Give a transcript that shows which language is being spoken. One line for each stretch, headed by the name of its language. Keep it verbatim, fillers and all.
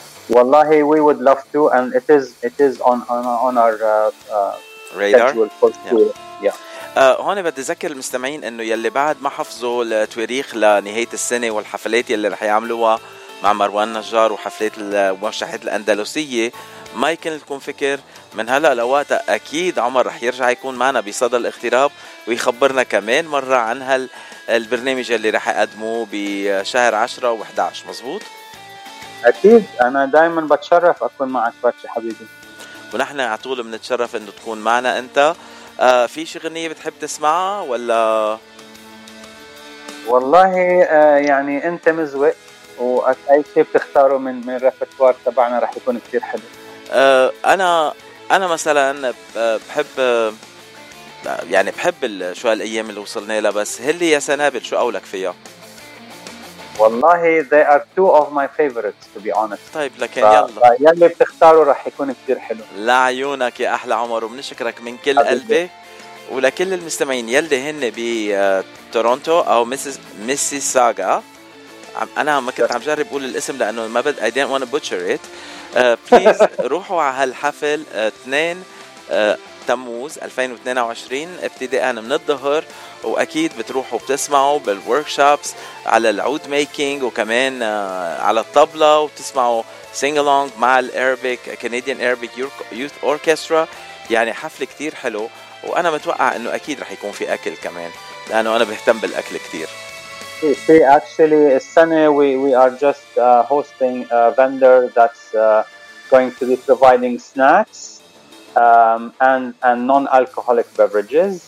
Arabic: والله
English: we would love to, and it is it is on on, on our uh, uh, radar for sure. Yeah.
Arabic: آه هون بدي أذكر المستمعين إنه يلي بعد ما حفظوا التواريخ لنهاية السنة والحفلات يلي رح يعملوها مع مروان نجار وحفلات الموشحات الأندلسية، ما يكون فكر من هلأ لوقتها. أكيد عمر رح يرجع يكون معنا بصدى الاغتراب ويخبرنا كمان مرة عن هال البرنامج اللي رح يقدموه بشهر عشرة وإحدى عشر. مزبوط؟ أكيد، أنا دايما بتشرف أكون معك باتشي حبيبي، ونحن على طول بنتشرف إنه تكون معنا أنت. آه في شي غنية بتحب تسمعها ولا؟ والله آه يعني انت مزوق، واي شيء بتختاره من من الريبرتوار تبعنا رح يكون كتير حلو. آه انا انا مثلا بحب آه يعني بحب شو هالايام اللي وصلنا لها، بس هلي يا سنابل شو قولك فيها؟ والله
English: they are two of my favorites to be honest.
Arabic: طيب لكن يلا يلي بتختاره راح يكون كتير حلو. لعيونك يا أحلى عمر، وبنشكرك من كل قلبي ولكل المستمعين يلي هن بتورونتو أو ميسيس ميسيساغا. أنا ما كنت عم جرب أقول الاسم لأنه ما بد
English: I didn't want to butcher it.
Arabic: uh, please روحوا على هالحفل uh, اثنين uh, تموز ألفين واثنين وعشرين ابتداء من الظهر، واكيد بتروحوا بتسمعوا بالوركشوبس على العود ميكينج وكمان على الطبلة، وبتسمعوا سينج الونج مع الاربيك كنديان اربيك يوث اوركسترا. يعني حفل كتير حلو، وانا متوقع انه اكيد رح يكون في اكل كمان لانه انا بهتم بالاكل كتير. في
English: actually
Arabic: السنة
English: we we are just uh, hosting a vendor that's uh, going to be providing snacks Um, and and non-alcoholic beverages.